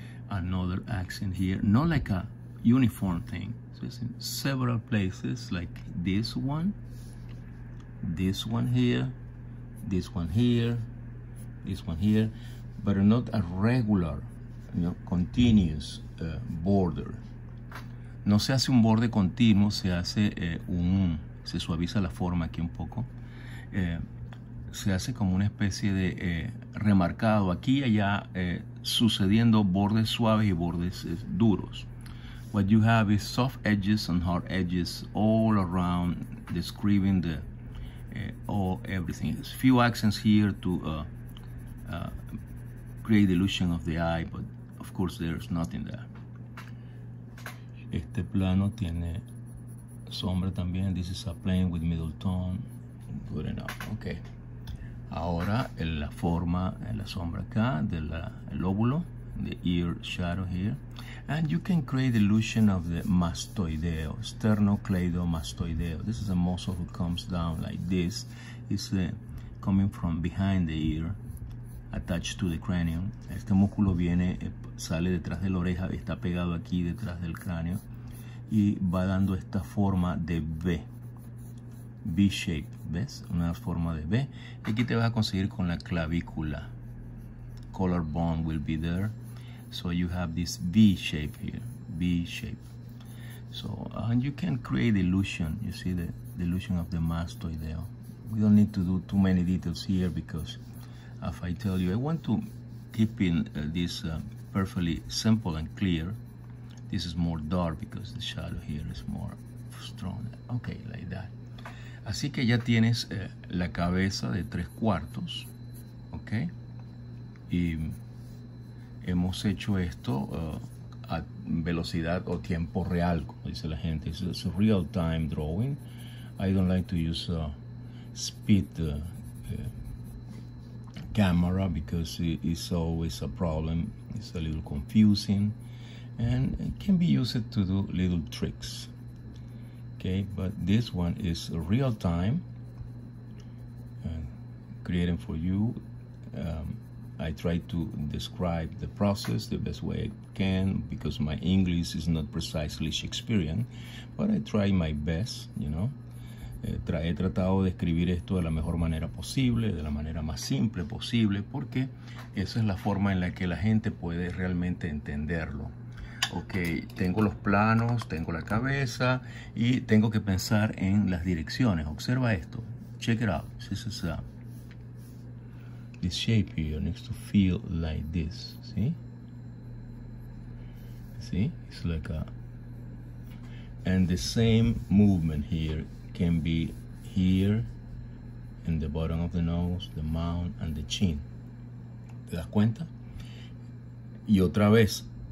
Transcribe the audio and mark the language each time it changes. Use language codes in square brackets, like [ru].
[en] Another accent here, not like a uniform thing. So it's in several places, like this one here, this one here, but not a regular, you know, continuous border. [es] No se hace un borde continuo, se hace se suaviza la forma aquí un poco. Se hace como una especie de remarcado aquí y allá, sucediendo bordes suaves y bordes duros. [en] What you have is soft edges and hard edges all around, describing the everything. There's few accents here to create the illusion of the eye, but of course there's nothing there. [es] Este plano tiene sombra también. [en] This is a plane with middle tone. Good enough. Okay. [es] Ahora en la forma, en la sombra acá del lóbulo, [en] the ear shadow here. And you can create the illusion of the mastoideo, sternocleidomastoideo. This is a muscle who comes down like this. It's coming from behind the ear, attached to the cranium. [es] Este músculo viene, sale detrás de la oreja, está pegado aquí detrás del cráneo y va dando esta forma de V, [en] V shape, [es] ¿ves? Una forma de V. Y aquí te vas a conseguir con la clavícula. [en] Color bond will be there. So you have this V shape here, V shape. So, and you can create the illusion, you see the illusion of the mastoideo. We don't need to do too many details here because if I tell you, I want to keep in this perfectly simple and clear. This is more dark because the shadow here is more strong. Okay, like that. [es] Así que ya tienes la cabeza de tres cuartos, okay? Y hemos hecho esto a velocidad o tiempo real, como dice la gente. [en] It's a real time drawing. I don't like to use a speed camera because it's always a problem. It's a little confusing. And it can be used to do little tricks. Okay, but this one is real time. Creating for you. I try to describe the process the best way I can because my English is not precisely Shakespearean. But I try my best, you know. [es] He tratado de escribir esto de la mejor manera posible, de la manera más simple posible, porque esa es la forma en la que la gente puede realmente entenderlo. Ok, tengo los planos, tengo la cabeza y tengo que pensar en las direcciones. Observa esto. [en] Check it out. This is this shape here needs to feel like this. See? See? It's like a... And the same movement here can be here in the bottom of the nose, the mouth and the chin. [es] ¿Te das cuenta? Y otra vez...